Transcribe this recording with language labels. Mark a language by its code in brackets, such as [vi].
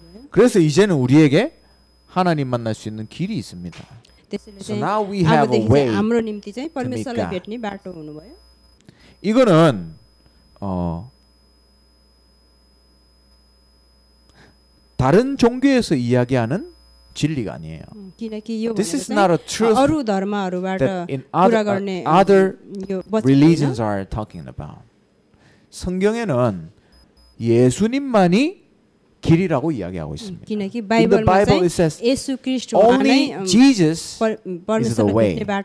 [ko] 그래서 이제는 우리에게 하나님 만날 수 있는 길이 있습니다. [en] So now we have a way to meet God. [ko] 이거는 다른 종교에서 이야기하는 진리가 아니에요. [en] This is not a truth that in other religions are talking about. [ko] 성경에는 예수님만이 길이라고 이야기하고 있습니다. [en] In the Bible it says only Jesus is the way.